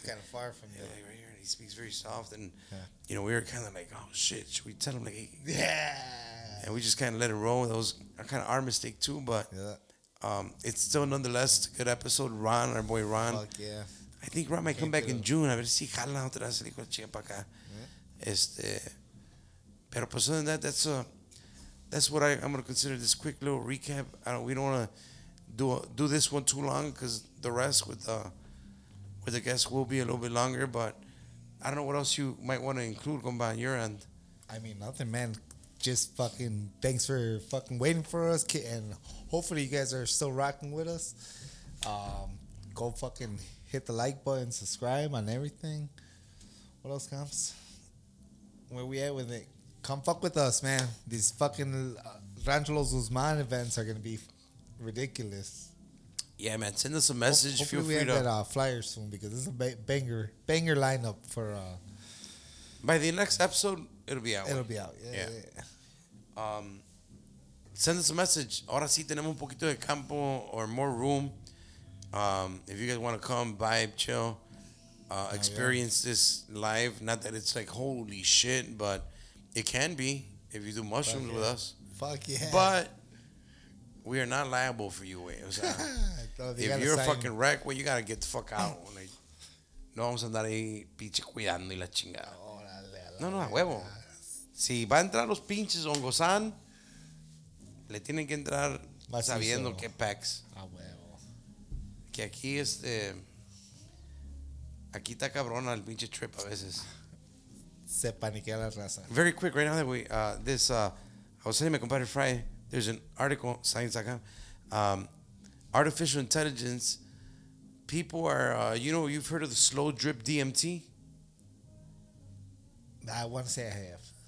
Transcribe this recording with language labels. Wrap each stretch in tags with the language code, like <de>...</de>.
<en>kind of far from you. Yeah, like right here. He speaks very soft. And, you know, we were kind of like, oh, shit. Should we tell him? Like, hey. Yeah. And we just kind of let it roll. That was kind of our mistake, too. But it's still, nonetheless, a good episode. Ron, our boy Ron. Fuck, yeah. I think Ron might come back in June.</en> <es>A ver si jala otra vez el hijo de chica para acá. Pero pues</es> <en>other than that, that's what I'm going to consider this quick little recap. We don't want to do this one too long because the rest with the guests will be a little bit longer. But I don't know what else you might want to include, Gumba, on your end. I mean, nothing, man. Just fucking thanks for fucking waiting for us. And hopefully you guys are still rocking with us. Go fucking... Hit the like button, subscribe on everything. What else, comps? Where we at with it? Come fuck with us, man. These fucking Rancho Los Guzman events are going to be ridiculous. Yeah, man. Send us a message. Feel free to... Hopefully we get flyers soon because this is a banger lineup for... By the next episode, it'll be out. It'll be out. Yeah. Send us a message.</en> <es>Ahora sí tenemos un poquito de campo</es> <en>or more room. If you guys want to come, vibe, chill, experience this live. Not that it's like holy shit, but it can be if you do mushrooms with us. Fuck yeah! But we are not liable for you, Wayne. If you're a fucking wreck, well, you gotta get the fuck out.</en> <es>Like, no vamos a andar ahí pinche cuidando y la chingada. No, a huevo. Si va a entrar los pinches hongosan, le tienen que entrar sabiendo qué packs. Que aquí aquí está cabrona el pinche trip a veces. Se paniquea la raza.</es> <en>Very quick, right now that I was telling my compadre Fry, there's an article, science.com, artificial intelligence, people are, you've heard of the slow drip DMT? I want to say I have.</en>